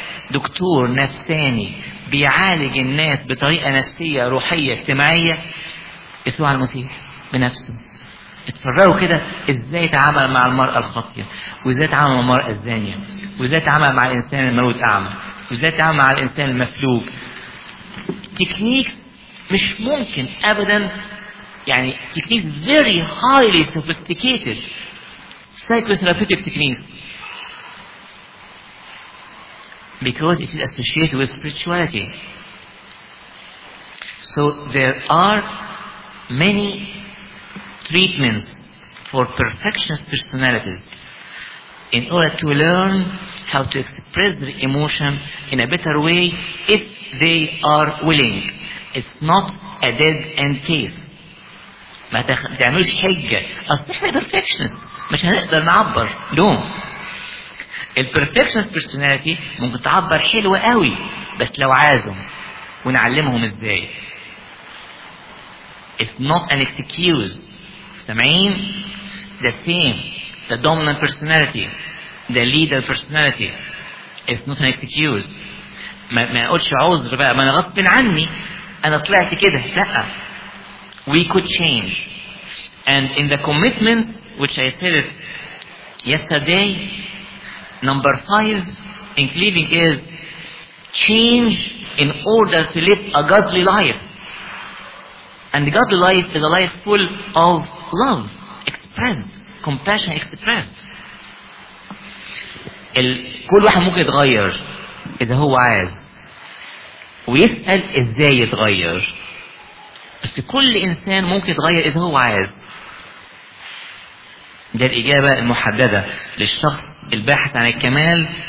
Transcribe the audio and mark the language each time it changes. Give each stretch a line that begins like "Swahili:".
Arabic: دكتور نفساني بيعالج الناس بطريقة نفسية روحية اجتماعية, يسوع المسيح بنفسه. اتفرجوا كده ازاي تعامل مع المرأة الخاطئة, وازاي تعامل مع المرأة الزانية, وازاي تعامل مع الانسان الموت اعمى, وازاي تعامل مع الانسان المفلوج. تكنيك مش ممكن ابدا, يعني تكنيك
English: very highly sophisticated psychotherapeutic techniques because it is associated with spirituality. So there are many treatments for perfectionist personalities in order to learn how to express their emotion in a better way if they are willing. It's not a dead end case.
Arabic: ما تعملش حجة أصلاح perfectionist مش هنقدر نعبر.
English: No,
Arabic: البرفكشنست بيرسوناليتي ممكن تعبر حلوة قوي بس لو عازم ونعلمهم ازاي.
English: It's not an excuse.
Arabic: سامعين؟
English: The same, the dominant personality, the leader personality, it's not an excuse.
Arabic: ما اقولش عذر بقى ما انا غصب عني انا طلعت كده. لا,
English: we could change. And in the commitment which I said it yesterday, number 5, including is change in order to live a godly life. And the godly life is a life full of love expressed, compassion expressed.
Arabic: كل واحد ممكن يتغير إذا هو عايز ويسأل إزاي يتغير. بس كل إنسان ممكن يتغير إذا هو عايز. ده الإجابة المحددة للشخص الباحث عن الكمال.